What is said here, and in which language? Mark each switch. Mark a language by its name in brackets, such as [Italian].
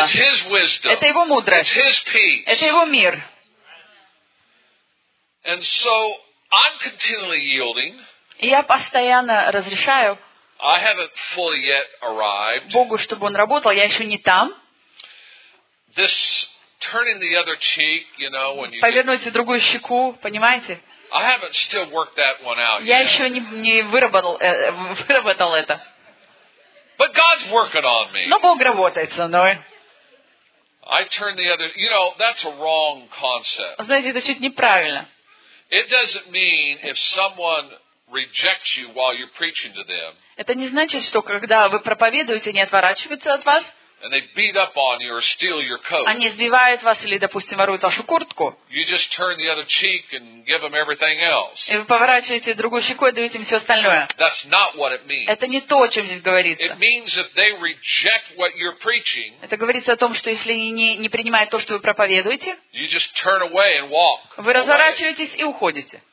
[English] It's His wisdom. [Russian] Это Его мудрость. [English] It's His peace. [Russian] Это Его мир. [English] And so I'm continually yielding. [Russian] И я постоянно разрешаю. [English] I haven't fully yet arrived. [Russian] Богу, чтобы Он работал, я еще не там. [English] This turning the other cheek, you know, when you [Russian] повернуть другую щеку, понимаете? [English] I haven't still worked that one out yet. [Russian] Я ещё не выработал это. [English] But God's working on me. [Russian] Но Бог работает со мной. [English] I turn the other, you know, that's a wrong concept. [Russian] Знаете, это чуть неправильно. [English] It doesn't mean if someone rejects you while you're preaching to them. [Russian] Это не значит, что когда вы проповедуете, они отворачиваются от вас. [English] And they beat up on you or steal your coat. [Russian] Они избивают вас или, допустим, воруют вашу куртку. [English] You just turn the other cheek and give them everything else. [Russian] И вы поворачиваете другую щеку и даете им все остальное. [English] That's not what it means. [Russian] Это не то, о чем здесь говорится. [English] It means if they reject what you're preaching. [Russian] Это говорится о том, что если они не принимают то, что вы проповедуете. [English] You just turn away and walk. [Russian] Вы разворачиваетесь и уходите.